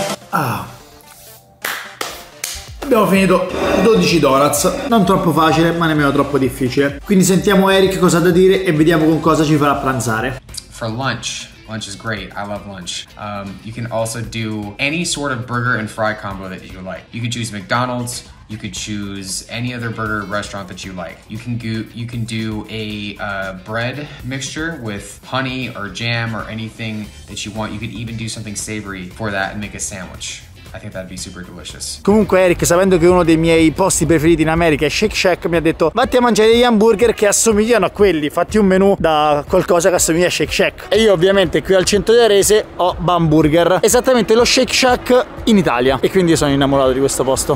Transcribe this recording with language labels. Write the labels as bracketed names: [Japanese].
[Italian] Ah. Abbiamo finito 12 donuts. Non troppo facile, ma nemmeno troppo difficile. Quindi sentiamo Eric cosa ha da dire e vediamo con cosa ci farà pranzare. [English] For lunch. Lunch is great. I love lunch. You can also do any sort of burger and fry combo that you like. You can choose McDonald's. You could choose any other burger restaurant that you like. You can do a bread mixture with honey or jam or anything that you want. You could even do something savory for that and make a sandwich. I think that'd be super delicious. [Italian] Comunque Eric, sapendo che uno dei miei posti preferiti in America è Shake Shack, mi ha detto: vatti a mangiare gli hamburger che assomigliano a quelli, fatti un menù da qualcosa che assomiglia a Shake Shack. E io ovviamente qui al centro di Arese ho Bamburger, esattamente lo Shake Shack in Italia, e quindi sono innamorato di questo posto.